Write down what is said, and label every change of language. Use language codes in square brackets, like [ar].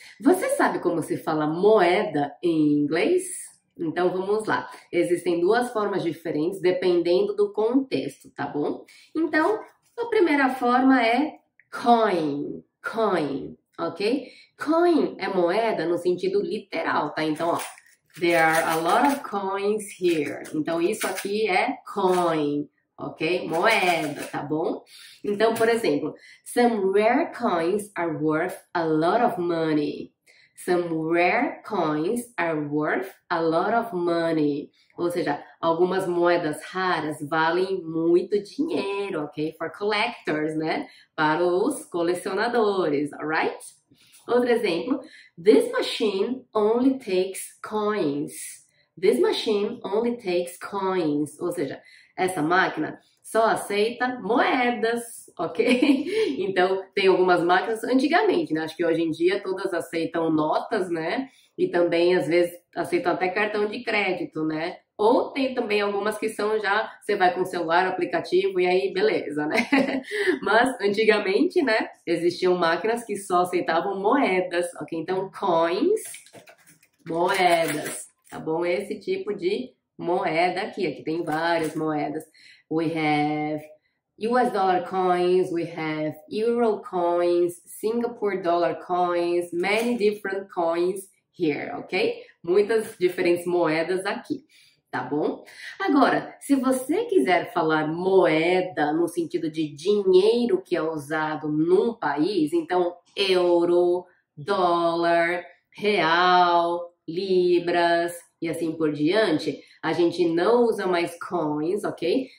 [pt] Você sabe como se fala moeda em inglês? Então vamos lá. Existem duas formas diferentes dependendo do contexto, tá bom? Então, a primeira forma é coin, coin, ok? Coin é moeda no sentido literal, tá? Então, ó, [en] there are a lot of coins here. [pt] Então, isso aqui é coin. Ok? Moeda, tá bom? Então, por exemplo, [en] some rare coins are worth a lot of money. Some rare coins are worth a lot of money. [pt] Ou seja, algumas moedas raras valem muito dinheiro, ok? [en] For collectors, [pt] né? Para os colecionadores, [en] alright? [pt] Outro exemplo, [en] this machine only takes coins. This machine only takes coins. [pt] Ou seja, essa máquina só aceita moedas, ok? Então, tem algumas máquinas antigamente, né? Acho que hoje em dia todas aceitam notas, né? E também, às vezes, aceitam até cartão de crédito, né? Ou tem também algumas que são já, você vai com o celular, aplicativo, e aí, beleza, né? Mas, antigamente, né? Existiam máquinas que só aceitavam moedas, ok? Então, coins, moedas, tá bom? Esse tipo de moeda aqui, aqui tem várias moedas. [en] We have US dollar coins, we have euro coins, Singapore dollar coins, many different coins here, ok? [pt] Muitas diferentes moedas aqui, tá bom? Agora, se você quiser falar moeda no sentido de dinheiro que é usado num país, então euro, dólar, real, libras, e assim por diante, a gente não usa mais coins, ok?